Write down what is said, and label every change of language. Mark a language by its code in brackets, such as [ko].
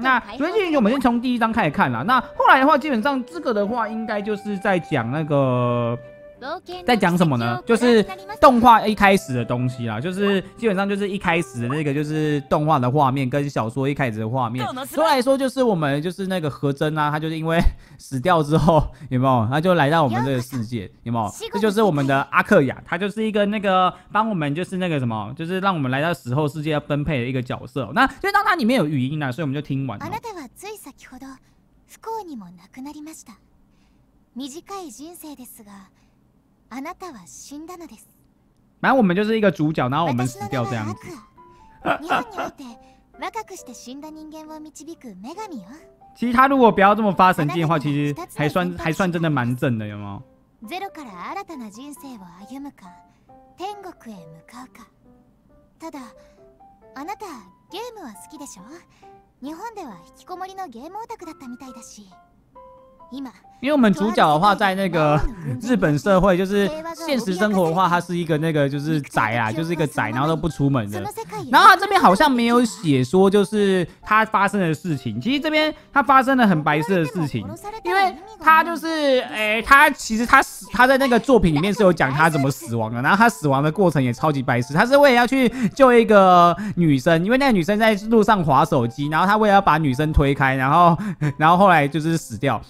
[zh] 那主线剧情我们先从第一章开始看啦。那后来的话基本上这个的话应该就是在讲那个在讲什么呢，就是动画一开始的东西啦，就是基本上就是一开始的那个就是动画的画面跟小说一开始的画面。说来说就是我们就是那个和真啊，他就是因为死掉之后有没有，他就来到我们这个世界有没有，这就是我们的阿克雅，他就是一个那个帮我们就是那个什么，就是让我们来到死后世界要分配的一个角色。那就当他里面有语音啦，所以我们就听完了。 [ja] あなたはつい先ほど不幸にも亡くなりました。短い人生ですが。あなたは死んだのです。 [zh] 反正我们就是一个主角，然后我们死掉这样子。 [ja] 日本において若くして死んだ人間を導く女神よ。 [zh] 其实他如果不要这么发神经的话，其实还算真的蛮正的，有吗？ [ja] ゼロから新たな人生を歩むか、天国へ向かうか。ただ、あなたゲームは好きでしょ？日本では引きこもりのゲームオタクだったみたいだし。 [zh] 因为我们主角的话在那个日本社会就是现实生活的话，他是一个那个就是宅啊，就是一个宅，然后都不出门的。然后他这边好像没有写说就是他发生的事情，其实这边他发生了很白色的事情，因为他就是他其实他在那个作品里面是有讲他怎么死亡的，然后他死亡的过程也超级白痴。他是为了要去救一个女生，因为那个女生在路上滑手机，然后他为了要把女生推开，然后后来就是死掉。